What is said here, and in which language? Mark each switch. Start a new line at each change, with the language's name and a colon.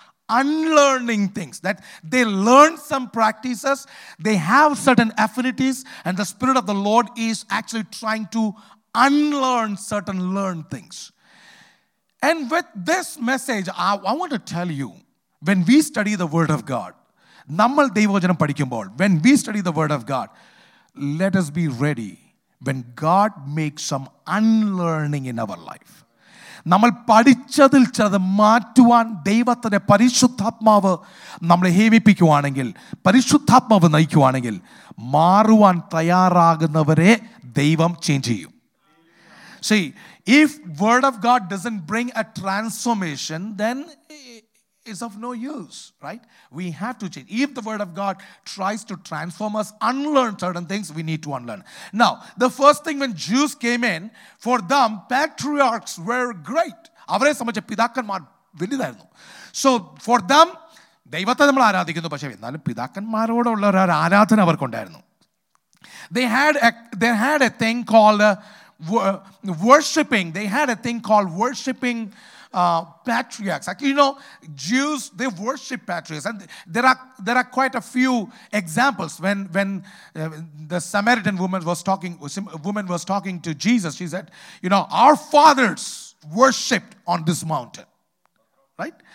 English: unlearning things, that they learn some practices, they have certain affinities, and the Spirit of the Lord is actually trying to unlearn certain learned things. And with this message, I want to tell you, when we study the Word of God,
Malayalam: nammal devojanam padikkumbol,
English: when we study the Word of God, let us be ready when God makes some unlearning in our life.
Malayalam: നമ്മൾ പഠിച്ചതിൽ ചിലത് മാറ്റുവാൻ ദൈവത്തിൻ്റെ പരിശുദ്ധാത്മാവ് നമ്മളെ ഹേമിപ്പിക്കുവാണെങ്കിൽ, പരിശുദ്ധാത്മാവ് നയിക്കുവാണെങ്കിൽ, മാറുവാൻ തയ്യാറാകുന്നവരെ ദൈവം change ചെയ്യും.
English: See, if word of God doesn't bring a transformation, then it's of no use, right? We have to change. If the word of God tries to transform us, unlearn certain things, we need to unlearn. Now, the first thing when Jews came in, for them, patriarchs were great.
Malayalam: അവരെ സംബന്ധിച്ച് പിതാക്കന്മാർ വലുതായിരുന്നു.
English: So, for them,
Malayalam: ദൈവത്തെ നമ്മൾ ആരാധിക്കുന്നു, പക്ഷേ എന്നാലും പിതാക്കന്മാരോടുള്ള ഒരു ആരാധന അവർക്കുണ്ടായിരുന്നു.
English: They had a thing called worshipping. They had a thing called worshipping patriarchs. Actually, you know, Jews, they worship patriarchs, and there are quite a few examples. When the Samaritan woman was talking to Jesus, she said, you know, our fathers worshipped on this mountain, right?